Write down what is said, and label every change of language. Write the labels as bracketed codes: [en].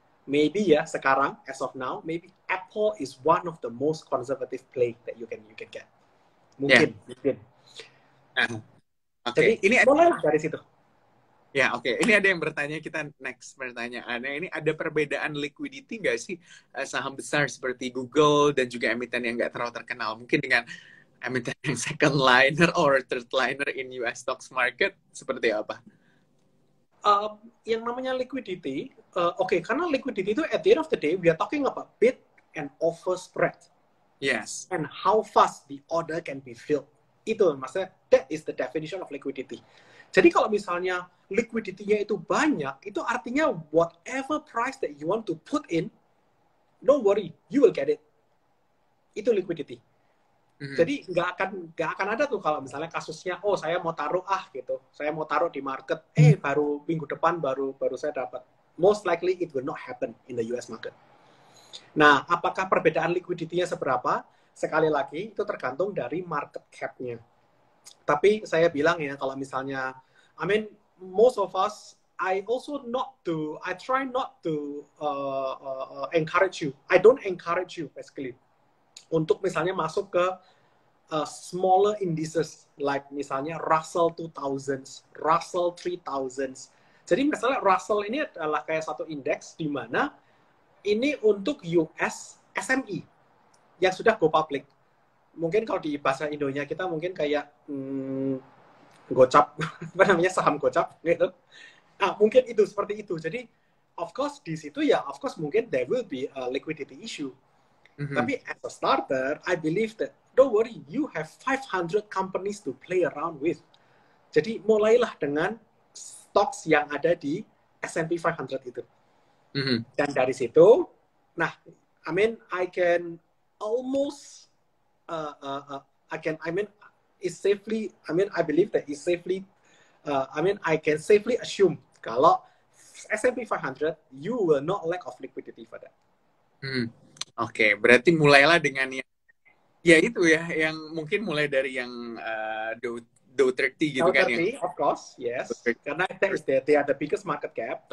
[id] Maybe ya, sekarang, [en] as of now, maybe Apple is one of the most conservative play that you can get. [id] Mungkin. Okay. Jadi, ini mulai dari situ. Ya, oke. Okay. Ini ada yang bertanya, kita next pertanyaannya. Ini ada perbedaan liquidity nggak sih saham besar seperti Google dan juga emiten yang nggak terlalu terkenal? Mungkin dengan emiten yang [en] second liner or third liner in US stocks market, [id] seperti apa? Yang namanya liquidity, [en] okay, [id] karena liquidity itu [en] at the end of the day, we are talking about bid and offer spread. Yes. And how fast the order can be filled. [id] Itu maksudnya, [en] that is the definition of liquidity. [id] Jadi kalau misalnya liquidity-nya itu banyak, itu artinya [en] whatever price that you want to put in, don't worry, you will get it. [id] Itu liquidity. Jadi nggak akan ada tuh kalau misalnya kasusnya, oh saya mau taruh ah gitu, saya mau taruh di market, baru minggu depan baru saya dapat. [en] Most likely it will not happen in the US market. [id] Nah, apakah perbedaan liquidity-nya seberapa? Sekali lagi, itu tergantung dari market cap-nya. Tapi saya bilang ya, kalau misalnya, [en] I mean, most of us, I don't encourage you, basically. [id] Untuk misalnya masuk ke smaller indices, like misalnya Russell 2000, Russell 3000. Jadi misalnya Russell ini adalah kayak satu indeks di mana ini untuk US SME yang sudah go public. Mungkin kalau di bahasa Indonya kita mungkin kayak gocap, apa namanya, saham gocap gitu. Nah, mungkin itu, seperti itu. [en] Jadi, of course, [id] di situ ya, [en] of course, mungkin there will be a liquidity issue. Tapi as a starter, I believe that, don't worry, you have 500 companies to play around with. [id] Jadi mulailah dengan stocks yang ada di S&P 500 itu. Dan dari situ, nah, [en] I mean, I can almost, I believe that it's safely, I can safely assume kalau S&P 500, you will not lack of liquidity for that. [id] Okay, berarti mulailah dengan yang, ya itu ya, yang mungkin mulai dari yang Dow 30, [en] of course, yes. Karena that is they are the biggest market cap.